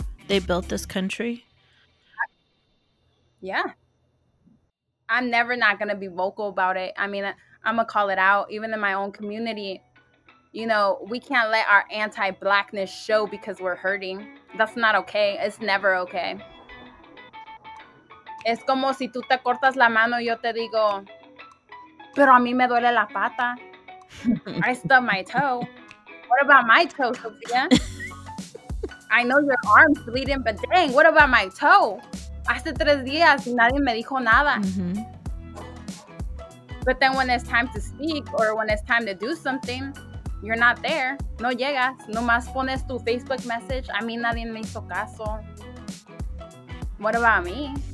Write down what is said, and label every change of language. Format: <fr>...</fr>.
<en>They built this country. Yeah. I'm never not going to be vocal about it. I mean, I'm going to call it out, even in my own community. You know, we can't let our anti-blackness show because we're hurting. That's not okay. It's never okay.</en> <es>Es como si tú te cortas la mano, yo te digo, pero a mí me duele la pata.</es> <en>I stubbed my toe. What about my toe, Sophia? I know your arm's bleeding, but dang, what about my toe?</en> <es>Hace 3 días y nadie me dijo nada.</es> <en>Mm-hmm. But then when it's time to speak or when it's time to do something, you're not there.</en> <es>No llegas. Nomás pones tu Facebook message. A mí nadie me hizo caso.</es> <en>What about me?</en>